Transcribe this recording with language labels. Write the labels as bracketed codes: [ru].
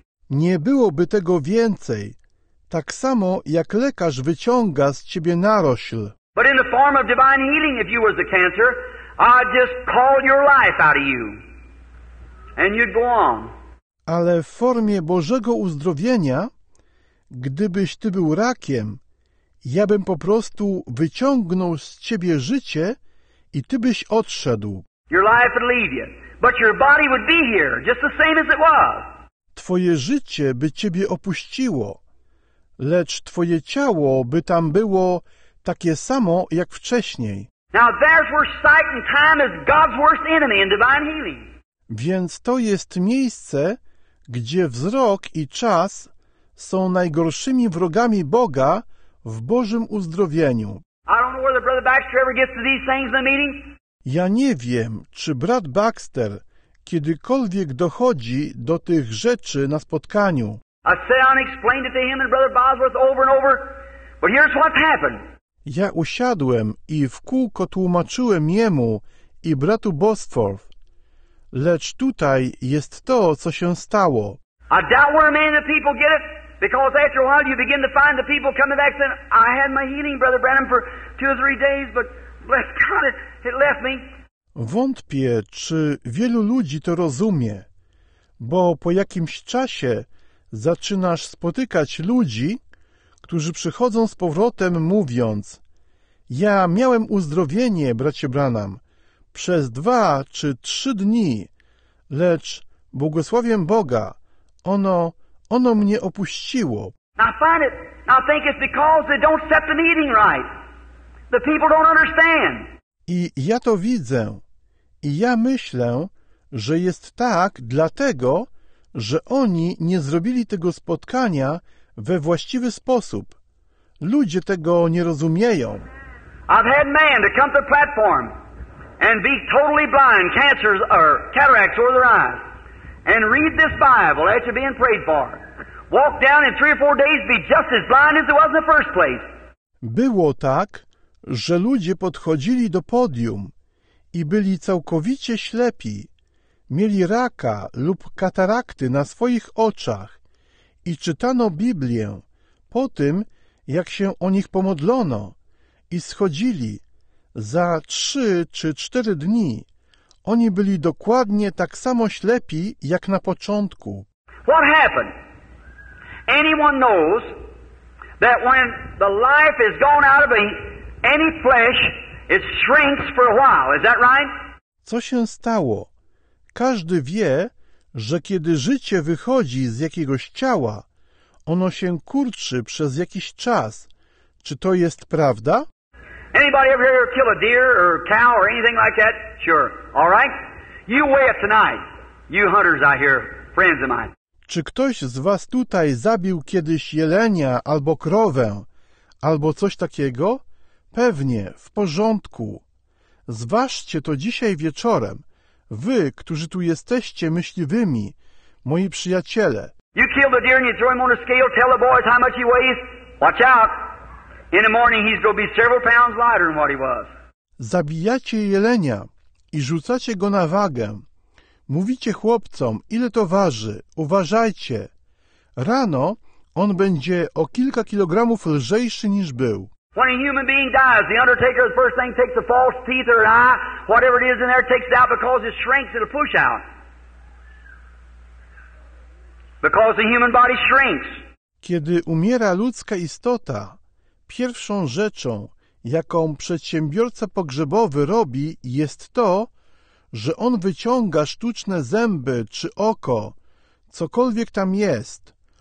[pl] Nie byłoby tego więcej, tak samo jak lekarz wyciąga z ciebie narośl. [en] But in the form of divine healing, if you was the cancer, I just call your life out of you, and you'd go on. [pl] Ale w formie Bożego uzdrowienia, gdybyś ty był rakiem, ja bym po prostu wyciągnął z ciebie życie i ty byś odszedł. [en] Your life would leave you, but your body would be here, just the same as it was. [pl] Twoje życie by ciebie opuściło, lecz twoje ciało by tam było takie samo jak wcześniej. [en] Now there's where sight and time is God's worst enemy in divine healing. [pl] Więc to jest miejsce, gdzie wzrok i czas są najgorszymi wrogami Boga w Bożym uzdrowieniu. [en] I don't know whether Brother Baxter ever gets to these things in the meeting. [pl] Ja nie wiem, czy brat Baxter kiedykolwiek dochodzi do tych rzeczy na spotkaniu. [en] I sat down and explained it to him and Brother Bosworth over and over, but here's what's happened. [pl] Ja usiadłem i w kółko tłumaczyłem jemu i bratu Bosworth, lecz tutaj jest to, co się stało. [en] I doubt where many people get it, because after a while you begin to find the people coming back saying, I had my healing, Brother Branham, for two or three days, but bless God, it left me. [pl] Wątpię, czy wielu ludzi to rozumie, bo po jakimś czasie zaczynasz spotykać ludzi, którzy przychodzą z powrotem mówiąc, ja miałem uzdrowienie, bracie Branham, przez 2 czy 3 dni, lecz błogosławiem Boga, ono mnie opuściło. [en] I find it, I think it's because they don't set the meeting right. The people don't understand. [pl] I ja to widzę. I ja myślę, że jest tak dlatego, że oni nie zrobili tego spotkania we właściwy sposób. Ludzie tego nie rozumieją. [en] I've had man to come to platform and be totally blind, cancers or cataracts over their eyes, and read this Bible after being prayed for. Walk down in 3 or 4 days, be just as blind as it was in the first place. [pl] Było tak, że ludzie podchodzili do podium i byli całkowicie ślepi, mieli raka lub katarakty na swoich oczach i czytano Biblię po tym, jak się o nich pomodlono i schodzili za 3 czy 4 dni. Oni byli dokładnie tak samo ślepi, jak na początku. [en] What happened? Anyone knows that when the life is gone out of any flesh, it shrinks for a while. Is that right? [pl] Co się stało? Każdy wie, że kiedy życie wychodzi z jakiegoś ciała, ono się kurczy przez jakiś czas. Czy to jest prawda? [en] Anybody ever here kill a deer or a cow or anything like that? Sure. All right? You weigh it tonight. You hunters out here, friends of mine. [pl] Czy ktoś z was tutaj zabił kiedyś jelenia albo krowę, albo coś takiego? Pewnie, w porządku. Zważcie to dzisiaj wieczorem. Wy, którzy tu jesteście myśliwymi, moi przyjaciele. [en] You kill the deer and you throw him on a scale, tell the boys how much he weighs. Watch out. In the morning he's going to be several pounds lighter than what he was. [pl] Zabijacie jelenia i rzucacie go na wagę. Mówicie chłopcom, ile to waży, uważajcie. Rano on będzie o kilka kilogramów lżejszy niż był. [en] When a human being dies, the undertaker, the first thing, takes the false teeth or an eye, whatever it is in there, takes it out because it shrinks, it'll push out. Because the human body shrinks. [pl] Kiedy umiera ludzka istota, pierwszą rzeczą, jaką przedsiębiorca pogrzebowy robi, jest to, że on wyciąga sztuczne zęby czy oko, cokolwiek tam jest.